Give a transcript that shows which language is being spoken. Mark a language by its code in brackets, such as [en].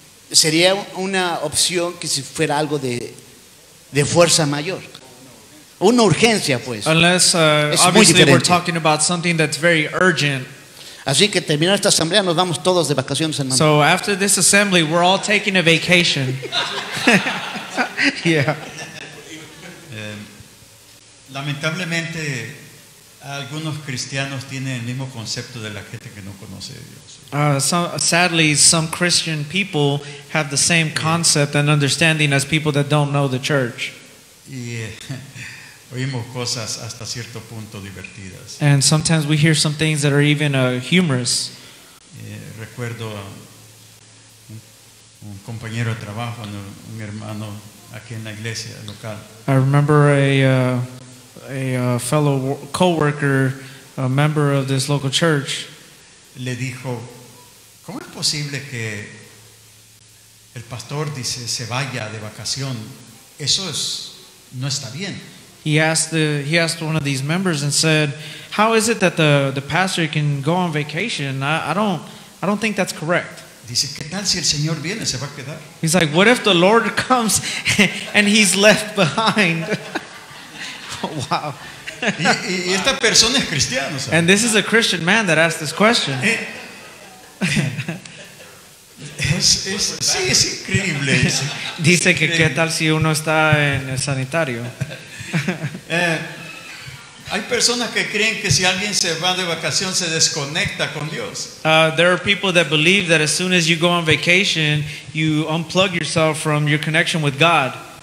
[es] Sería una opción que si fuera algo de fuerza mayor. Una urgencia, pues. [en] Unless obviously we're talking about something that's very urgent. [es] Así que terminando esta asamblea, nos vamos todos de vacaciones, hermano. [en] So after this assembly, we're all taking a vacation. Yeah. [es] Lamentablemente, algunos cristianos tienen el mismo concepto de la gente que no conoce a Dios. [en] Sadly, some Christian people have the same concept and understanding as people that don't know the church. [es] Y oímos cosas hasta cierto punto divertidas. [en] And sometimes we hear some things that are even humorous. [es] Recuerdo un compañero de trabajo, un hermano aquí en la iglesia local. [en] I remember a fellow co-worker, a member of this local church, [es] le dijo, ¿cómo es posible que el pastor dice se vaya de vacación? Eso es, no está bien. [en] He asked one of these members and said, how is it that the pastor can go on vacation? I don't think that's correct. [es] Dice, ¿qué tal si el Señor viene, se va a quedar? [en] He's like, what if the Lord comes and he's left behind? Wow. [es] Y esta persona es cristiana, o sea. [en] And this is a Christian man that asked this question. [es] Sí, es increíble. Dice que qué tal si uno está en el sanitario. Hay personas que creen que si alguien se va de vacación se desconecta con Dios. [en] There are people that believe that as soon as you go on vacation, you unplug yourself from your connection with God.